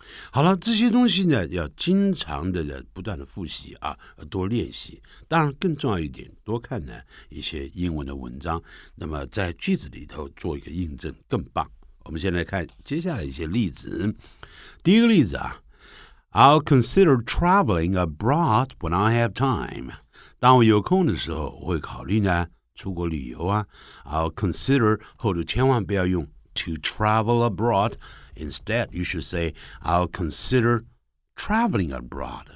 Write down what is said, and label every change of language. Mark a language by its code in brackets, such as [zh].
[zh] 好了，这些东西呢要经常的不断的复习啊，多练习。当然更重要一点，多看呢一些英文的文章，那么在句子里头做一个印证更棒。我们先来看接下来一些例子。第一个例子啊， [en] I'll consider traveling abroad when I have time. [zh] 当我有空的时候我会考虑呢出国旅游啊。 [en] I'll consider [zh] 后头千万不要用 [en] to travel aboutInstead, you should say, I'll consider traveling abroad.